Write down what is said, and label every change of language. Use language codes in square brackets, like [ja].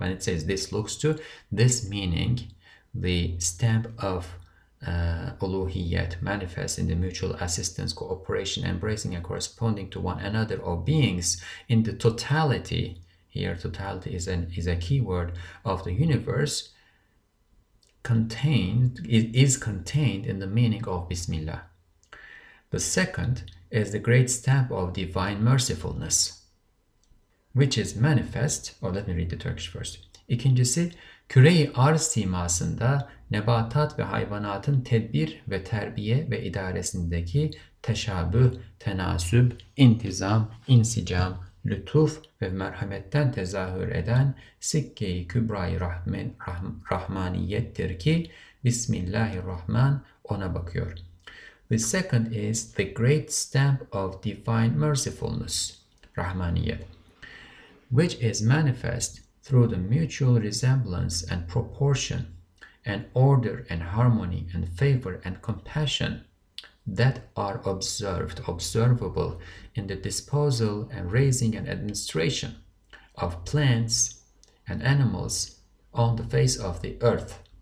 [en] When it says this looks to, this meaning, the stamp of Uluhiyyat manifests in the mutual assistance, cooperation, embracing and corresponding to one another of beings in the totality, here totality is a key word, of the universe, contained, it is contained in the meaning of Bismillah. The second is the great stamp of divine mercifulness, which is manifest. Oh, let me read the Turkish first. [tr] İkincisi, küre-i arz simasında nebatat ve hayvanatın tedbir ve terbiye ve idaresindeki teşabüh, tenasüb, intizam, insicam, lütuf ve merhametten tezahür eden sikke-i kübra-i rahmaniyettir ki Bismillahirrahman ona bakıyor. [en] The second is the great stamp of divine mercifulness, rahmaniyet, which is manifest through the mutual resemblance and proportion and order and harmony and favor and compassion that are observable in the disposal and raising and administration of plants and animals on the face of the earth.